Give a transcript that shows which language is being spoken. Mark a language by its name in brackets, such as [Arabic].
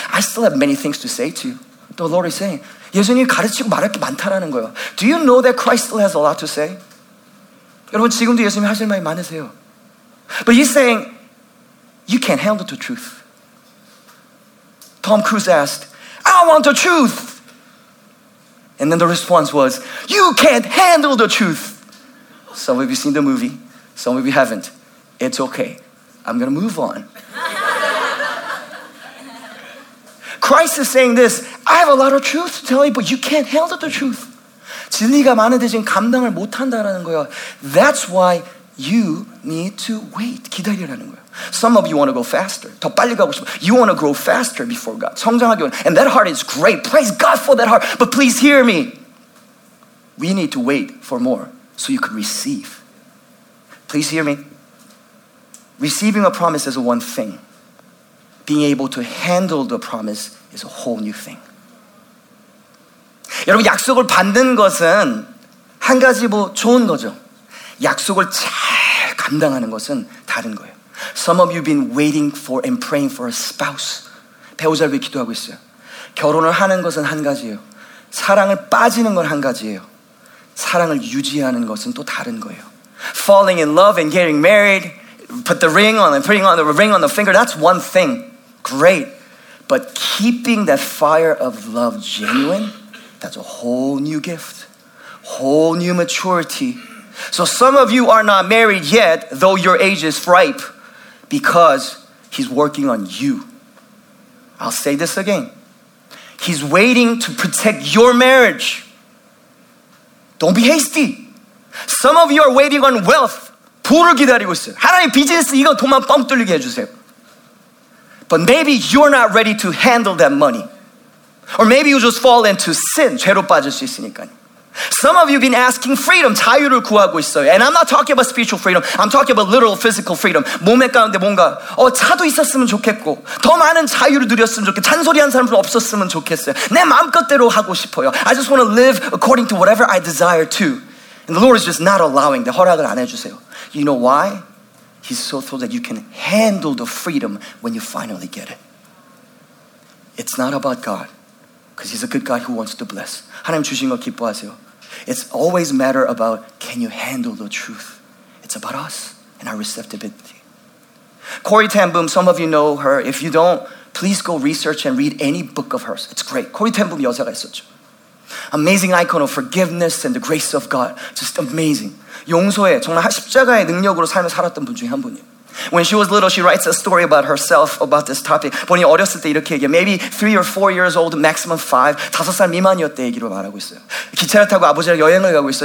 [English] I still have many things to say to you. The Lord is saying, [Korean] 예수님이 가르치고 말할 게 많다라는 거예요. [English] Do you know that Christ still has a lot to say? [Korean] 여러분 지금도 예수님이 하실 말이 많으세요. [English] But he's saying, you can't handle the truth. Tom Cruise asked, I want the truth. And then the response was, you can't handle the truth. Some of you seen the movie. Some of you haven't. It's okay. I'm going to move on. Christ is saying this. I have a lot of truth to tell you, but you can't handle the truth. [Korean] 진리가 많은데 지금 감당을 못한다라는 거예요. [English] That's why you need to wait. [Korean] 기다리라는 거예요. [English] Some of you want to go faster. [Korean] 더 빨리 가고 싶어. [English] You want to grow faster before God. [Korean] 성장하기 원해. [English] And that heart is great. Praise God for that heart. But please hear me. We need to wait for more so you can receive. Please hear me. Receiving a promise is one thing. Being able to handle the promise is a whole new thing. [Korean] 여러분, 약속을 받는 것은 한 가지 뭐 좋은 거죠. 약속을 잘 감당하는 것은 다른 거예요. [English] Some of you have been waiting for and praying for a spouse. [Korean] 배우자를 위해 기도하고 있어요. 결혼을 하는 것은 한 가지예요. 사랑을 빠지는 건 한 가지예요. 사랑을 유지하는 것은 또 다른 거예요. [English] Falling in love and getting married, put the ring on and putting on the ring on the finger, that's one thing. Great. But keeping that fire of love genuine, that's a whole new gift, whole new maturity. So some of you are not married yet, though your age is ripe, because he's working on you. I'll say this again. He's waiting to protect your marriage. Don't be hasty. Some of you are waiting on wealth. [Korean] 부를 기다리고 있어요. 하나님 비즈니스 이거 돈만 뻥 뚫리게 해주세요. [English] But maybe you're not ready to handle that money. Or maybe you just fall into sin. [Korean] 죄로 빠질 수 있으니까. [English] Some of you have been asking freedom. [Korean] 자유를 구하고 있어요. [English] And I'm not talking about spiritual freedom. I'm talking about literal physical freedom. [Korean] 몸에 가운데 뭔가 차도 있었으면 좋겠고 더 많은 자유를 누렸으면 좋겠고 잔소리하는 사람도 없었으면 좋겠어요. 내 마음껏대로 하고 싶어요. [English] I just want to live according to whatever I desire to. And the Lord is just not allowing. [Korean] 내 허락을 안 해주세요. [English] You know why? He's so thrilled that you can handle the freedom when you finally get it. It's not about God, because he's a good God who wants to bless. [Korean] 하나님 주신 거 기뻐하세요. [English] It's always a matter about, can you handle the truth? It's about us and our receptivity. Corrie Ten Boom, some of you know her. If you don't, please go research and read any book of hers. It's great. Corrie Ten Boom [Korean] 여자가 있었죠. [English] Amazing icon of forgiveness and the grace of God. Just amazing. [Korean] 용서에 정말 십자가의 능력으로 삶을 살았던 분 중에 한 분이에요. [English] When she was little, she writes a story about herself about this topic. [Korean] 본인 어렸을 때 이렇게 얘기해요. [English] Maybe 3 or 4 years old, maximum 5. [Korean] 5살 미만이었대 얘기로 말하고 있어요. 기차를 타고 아버지랑 여행을 가고 있어요.